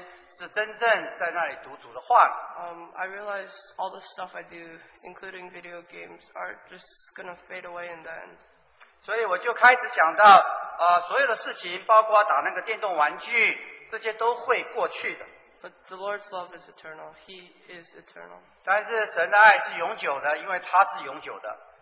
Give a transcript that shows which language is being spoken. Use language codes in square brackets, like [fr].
[zh] 所以当我那里坐在那里这样读圣经的时候，就让我想到我这个夏天到底有多少时间是真正在那里读主的话。 [en] I realize all the stuff I do, including video games, are just gonna fade away in the end. [zh] 所以我就开始想到，所有的事情，包括打那个电动玩具，这些都会过去的。 [en] But the Lord's love is eternal. He is eternal. [zh] 但是神的爱是永久的，因为他是永久的。